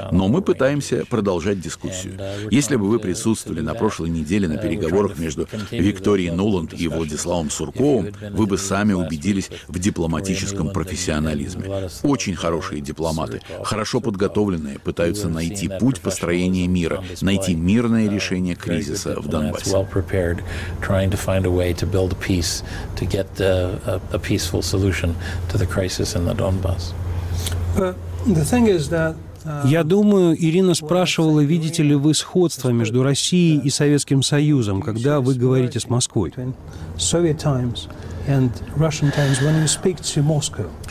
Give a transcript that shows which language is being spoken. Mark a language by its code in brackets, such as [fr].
[ru] Но мы пытаемся продолжать дискуссию. Если бы вы присутствовали на прошлой неделе на переговорах между Викторией Нуланд и Владиславом Сурковым, вы бы сами убедились в дипломатическом профессионализме. Очень хорошие дипломаты, хорошо подготовленные, пытаются найти путь построения мира, найти мирное решение. Решение кризиса в Донбассе. [en] Well prepared, trying to find a way to build peace, to get a peaceful solution to the crisis in the Donbass. The thing is that. [ru] Я думаю, Ирина спрашивала, видите ли вы сходство между Россией и Советским Союзом, когда вы говорите с Москвой. [en] Soviet times and Russian times when you speak to Moscow.